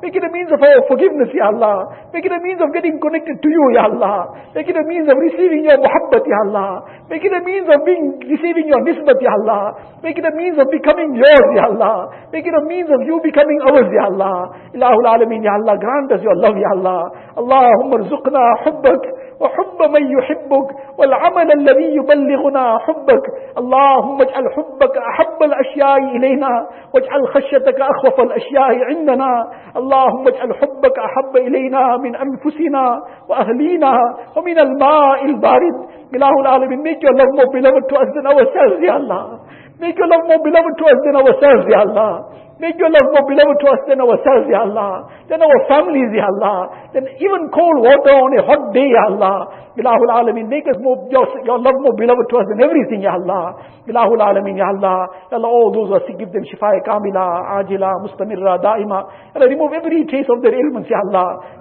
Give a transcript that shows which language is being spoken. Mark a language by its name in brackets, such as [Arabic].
[English] Make it a means of our forgiveness, Ya Allah. Make it a means of getting connected to You, Ya Allah. Make it a means of receiving Your muhabbat, Ya Allah. Make it a means of receiving Your nisbat, Ya Allah. Make it a means of becoming Yours, Ya Allah. Make it a means of You becoming ours, Ya Allah. Ilahul Alameen, Ya Allah, grant us Your love, Ya Allah. [Arabic] Allahumma rzuqna hubbak. وحب من يحبك والعمل الذي يبلغنا حبك اللهم اجعل حبك أحب الأشياء إلينا واجعل خشيتك أخوف الأشياء عندنا اللهم اجعل حبك أحب إلينا من أنفسنا وأهلينا ومن الماء البارد إله العالمين [English] make your love more beloved to us than ourselves يا الله make your love more beloved to us than ourselves يا الله Make your love more beloved to us than ourselves, Ya Allah. Than our families, Ya Allah. Than even cold water on a hot day, Ya Allah. Ilahul Alameen, make us more, your love more beloved to us than everything, Ya Allah. Ilahul Alameen, Ya Allah. Ya Allah, all those who are sick, give them shifa'i kamila, ajila, mustamirra, da'ima. Ya Allah, remove every trace of their ailments, Ya Allah.